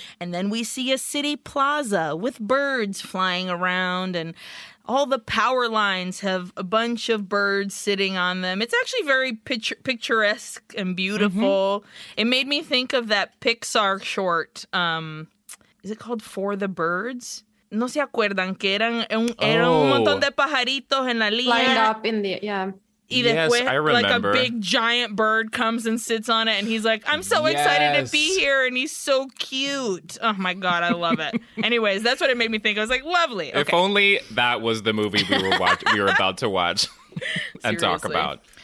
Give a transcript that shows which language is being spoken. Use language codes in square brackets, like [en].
[en] And then we see a city plaza with birds flying around. And all the power lines have a bunch of birds sitting on them. It's actually very picturesque and beautiful. Mm-hmm. It made me think of that Pixar short. Is it called For the Birds? [es] No se acuerdan que eran un montón de pajaritos en la línea. [en] Lined up in the, yeah. Y después, yes, I remember. Like a big giant bird comes and sits on it and he's like, I'm so yes. excited to be here. And he's so cute. Oh my God, I love it. Anyways, that's what it made me think. I was like, lovely. Okay. If only that was the movie we were about to watch and talk about.